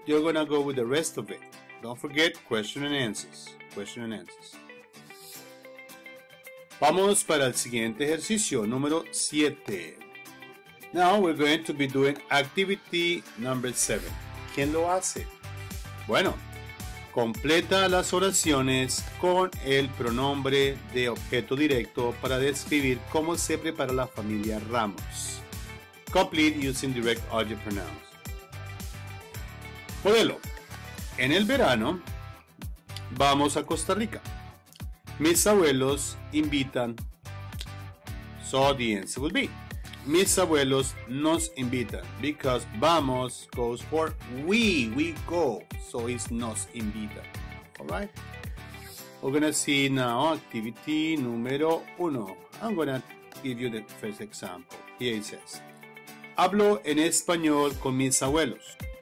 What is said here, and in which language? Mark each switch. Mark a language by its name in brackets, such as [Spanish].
[English] You're gonna go with the rest of it. Don't forget question and answers. Question and answers. [Spanish] Vamos para el siguiente ejercicio, número 7. [English] Now we're going to be doing activity number 7. [Spanish] ¿Quién lo hace? Bueno, completa las oraciones con el pronombre de objeto directo para describir cómo se prepara la familia Ramos. [English] Complete using direct object pronouns. [Spanish] Modelo. En el verano vamos a Costa Rica. Mis abuelos invitan. [English] So the answer will be, [Spanish] Mis abuelos nos invitan. [English] Because vamos goes for we go. So it's nos invita. Alright? We're going to see now activity [Spanish] número uno. [English] I'm going to give you the first example. Here it says, [Spanish] hablo en español con mis abuelos.